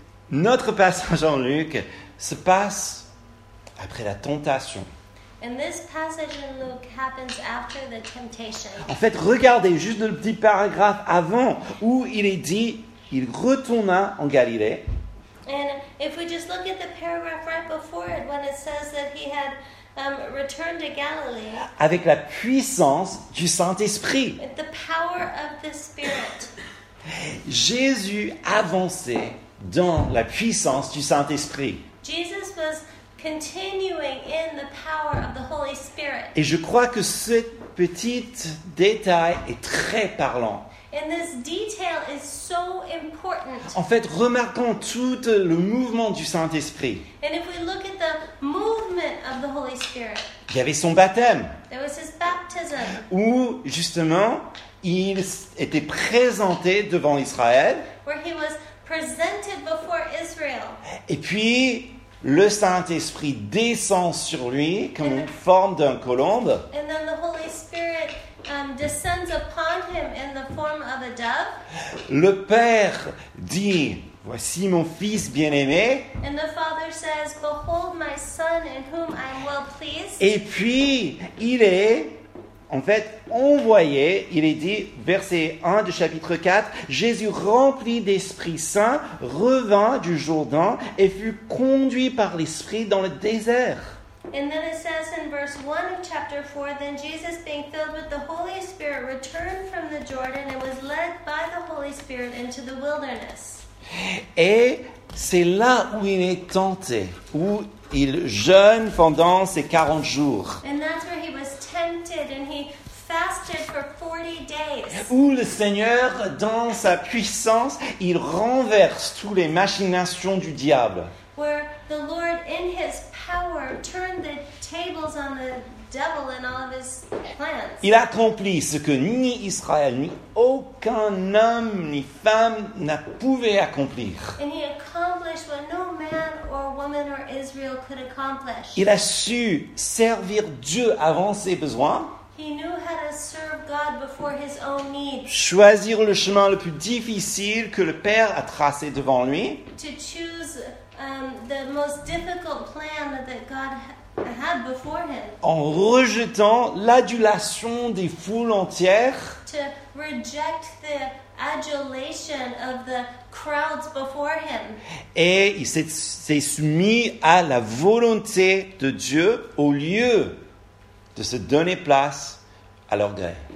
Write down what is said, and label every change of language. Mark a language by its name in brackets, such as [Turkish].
[French] Notre passage en Luc se passe après la tentation. [English] And this passage in Luke happens after the temptation. [French] En fait, regardez juste le petit paragraphe avant où il est dit il retourna en Galilée. [English] And if we just look at the paragraph right before it when it says that he had returned to Galilee, [French] avec la puissance du Saint-Esprit. [English] With the power of the Spirit. [French] Jésus avançait dans la puissance du Saint-Esprit. [English] Jesus was continuing in the power of the Holy Spirit. [French] Et je crois que ce petit détail est très parlant. [English] And this detail is so important. [French] En fait, remarquons tout le mouvement du Saint-Esprit. [English] And if we look at the movement of the Holy Spirit, [French] il y avait son baptême. [English] There was his baptism. [French] Où, justement, il était présenté devant Israël. [English] Where he was presented before Israel. [French] Et puis, le Saint-Esprit descend sur lui comme une forme d'un colombe. [English] And then the Holy Spirit descends upon him in the form of a dove. [French] Le Père dit, voici mon fils bien-aimé. [English] And the Father says, behold my son in whom I am well pleased. [French] Et puis, il est, en fait, envoyé, il est dit, verset 1 du chapitre 4, Jésus rempli d'Esprit Saint revint du Jourdan et fut conduit par l'Esprit dans le désert. [English] And then it says in verse 1 of chapter 4, then Jesus, being filled with the Holy Spirit, returned from the Jordan and was led by the Holy Spirit into the wilderness. [French] Et c'est là où il est tenté, où il jeûne pendant ses 40 jours. [English] And that's where he was tempted and he fasted for 40 days. [French] Où le Seigneur, dans sa puissance, il renverse toutes les machinations du diable. [English] Where the Lord, in his power, turned the tables on the devil and all of his plans. [French] Il accomplit ce que ni Israël, ni aucun homme, ni femme n'a pu accomplir. [English] And he accomplished what no man or woman or Israel could accomplish. [French] Il a su servir Dieu avant ses besoins. [English] He knew how to serve God before his own needs. [French] Choisir le chemin le plus difficile que le Père a tracé devant lui. [English] To choose the most difficult plan that God had before him. [French] En rejetant l'adulation des foules entières. [English] To reject the adulation of the crowds before him. [French] Et il s'est soumis à la volonté de Dieu au lieu de se donner place à l'orgueil.